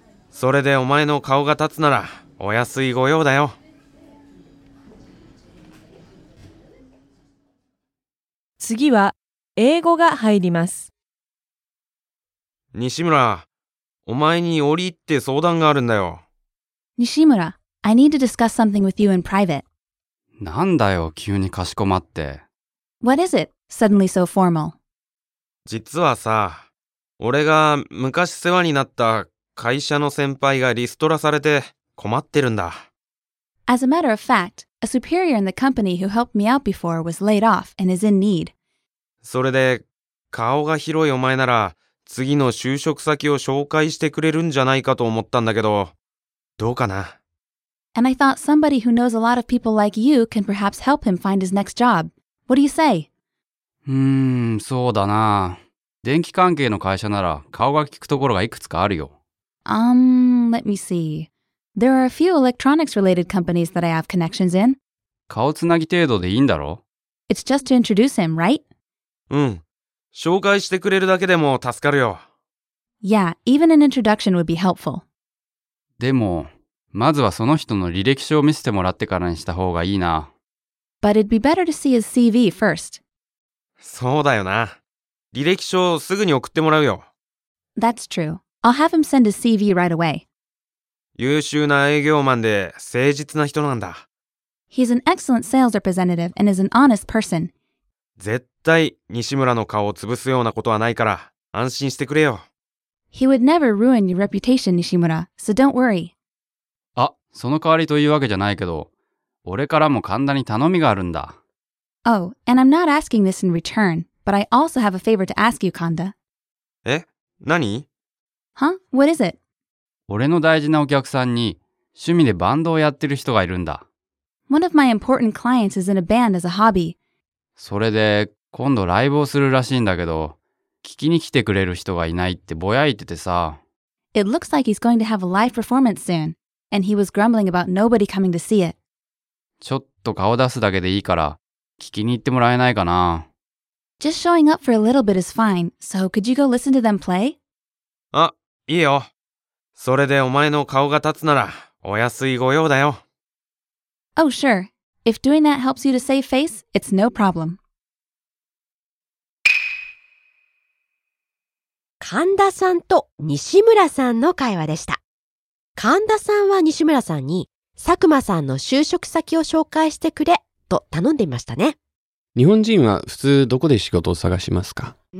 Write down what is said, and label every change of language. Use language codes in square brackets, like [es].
[ja] それでお前の顔が立つならお安い御用だよ。次は英語が入ります。西村、お前に折り入って相談があるんだよ。 [en] 西村、I need to discuss something with you in private. [ja] なんだよ、急にかしこまって。 [en] What is it? Suddenly so formal. [ja] 実はさ、俺が昔世話になった会社の先輩がリストラされて困ってるんだ。 [en] As a matter of fact, a superior in the company who helped me out before was laid off and is in need. [ja] それで、顔が広いお前なら次の就職先を紹介してくれるんじゃないかと思ったんだけど、どうかな。 [en] And I thought somebody who knows a lot of people like you can perhaps help him find his next job. What do you say? [ja] そうだな。電気関係の会社なら顔が聞くところがいくつかあるよ。 [en] Let me see. There are a few electronics related companies that I have connections in. [ja] 顔つなぎ程度でいいんだろ? [en] It's just to introduce him, right? [ja] うん。紹介してくれるだけでも助かるよ。 [en] Yeah, even an introduction would be helpful. [ja] でも、まずはその人の履歴書を見せてもらってからにした方がいいな。 [en] But it'd be better to see his CV first. [ja] そうだよな。履歴書をすぐに送ってもらうよ。 [en] That's true. I'll have him send his CV right away. [ja] 優秀な営業マンで誠実な人なんだ。 [en] He's an excellent sales representative and is an honest person. [ja] 絶対西村の顔を潰すようなことはないから安心してくれよ。 [en] He would never ruin your reputation, Nishimura, so don't worry. [ja] あ、その代わりというわけじゃないけど、俺からも神田に頼みがあるんだ。 [en] Oh, and I'm not asking this in return, but I also have a favor to ask you, Kanda. [ja] え、何？ [en] Huh? What is it? [ja] 俺の大事なお客さんに趣味でバンドをやってる人がいるんだ。 [en] One of my important clients is in a band as a hobby. [ja] それで今度ライブをするらしいんだけど、聞きに来てくれる人がいないってぼやいててさ。 [en] It looks like he's going to have a live performance soon, and he was grumbling about nobody coming to see it. [ja] ちょっと顔出すだけでいいから、聞きに行ってもらえないかな。 [en] Just showing up for a little bit is fine, so could you go listen to them play? [ja] あ、いいよ。それでお前の顔が立つなら、お安い御用だよ。 [en] Oh, sure. If doing that helps you to save face, it's no problem. [ja] 神田さんと西村さんの会話でした。神田さんは西村さんに、佐久間さんの就職先を紹介してくれと頼んでいましたね。日本人は普通どこで仕事を探しますか？